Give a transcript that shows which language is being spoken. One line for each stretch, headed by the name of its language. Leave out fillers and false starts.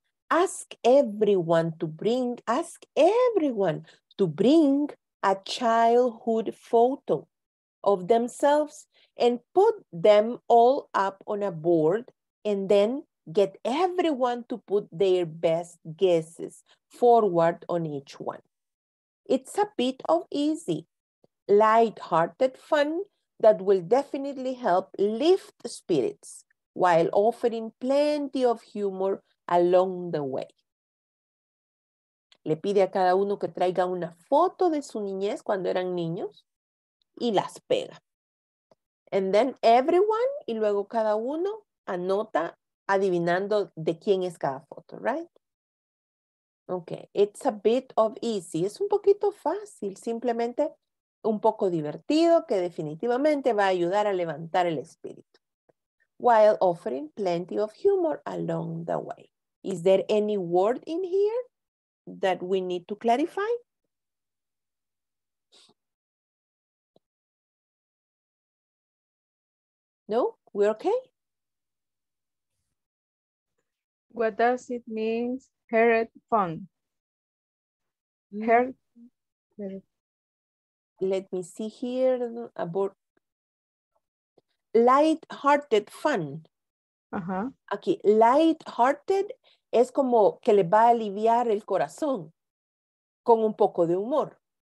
English: Ask everyone to bring a childhood photo of themselves and put them all up on a board and then get everyone to put their best guesses forward on each one. It's a bit of easy, lighthearted fun that will definitely help lift spirits while offering plenty of humor along the way.
Spanish: le pide a cada uno que traiga una foto de su niñez cuando eran niños y las pega.
English: And then everyone,
Spanish: y luego cada uno anota adivinando de quién es cada foto,
English: right? Okay, it's a bit of easy.
Spanish: Es un poquito fácil, simplemente un poco divertido que definitivamente va a ayudar a levantar el espíritu.
English: While offering plenty of humor along the way. Is there any word in here that we need to clarify? No? We're okay? What does it mean, heard fun? Heard. Let me see here about light-hearted fun. Uh-huh.
Spanish: Aquí, light-hearted es como que le va a aliviar el corazón con un poco de humor.